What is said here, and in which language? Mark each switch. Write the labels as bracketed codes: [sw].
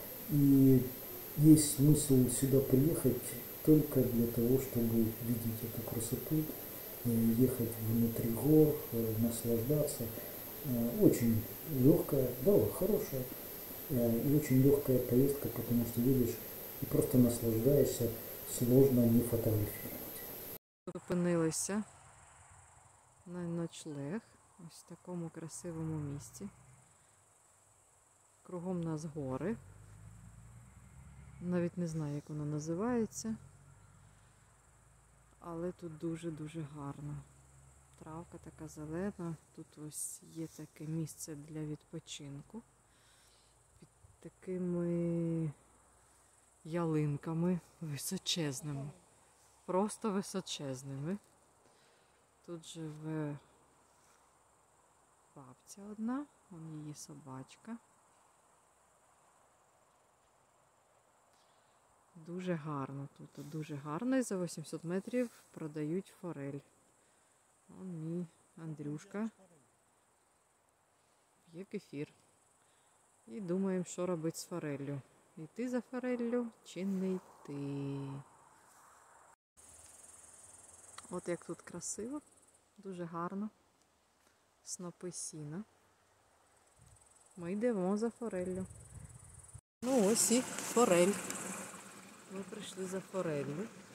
[ru] И есть смысл сюда приехать только для того, чтобы видеть эту красоту, ехать внутри гор, наслаждаться. Очень легкая, да, хорошая, и очень легкая поездка, потому что едешь и просто наслаждаешься, сложно не фотографировать. [uk] Зупинилися на ночлег ось в такому красивому місці. Кругом нас гори. Навіть не знаю, як воно називається, але тут дуже-дуже гарно. Травка така зелена, тут ось є таке місце для відпочинку. Під такими ялинками височезними, просто височезними. Тут живе бабця одна, у неї собачка. Дуже гарно тут, дуже гарно, і за 800 метрів продають форель. О, мій Андрюшка п'є кефір. І думаємо, що робити з фореллю. [ru] И ты за форелью, чинный ты. [uk] От як тут красиво, дуже гарно. Снопи сіна. Ми йдемо за форелью. Ну ось і форель. Ми прийшли за форелью.